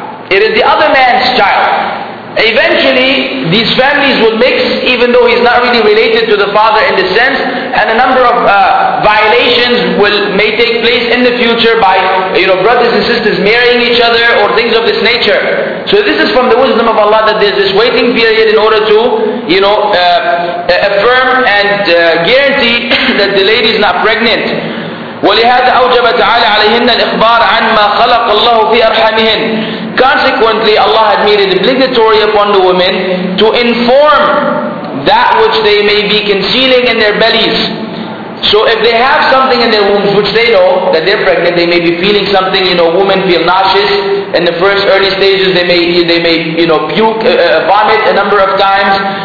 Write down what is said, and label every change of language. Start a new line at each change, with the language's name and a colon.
English: It is the other man's child. Eventually, these families will mix, even though he's not really related to the father in this sense, and a number of violations may take place in the future by, you know, brothers and sisters marrying each other or things of this nature. So this is from the wisdom of Allah that there's this waiting period in order to, you know, affirm and guarantee that the lady is not pregnant.
Arabic: ولهذا أوجب تعالى عليهن الإخبار عن ما خلق الله في أرحامهن.
English: Consequently, Allah had made it obligatory upon the women to inform that which they may be concealing in their bellies. So if they have something in their wombs which they know that they're pregnant, they may be feeling something, you know, women feel nauseous in the first early stages, they may you know, puke, vomit a number of times.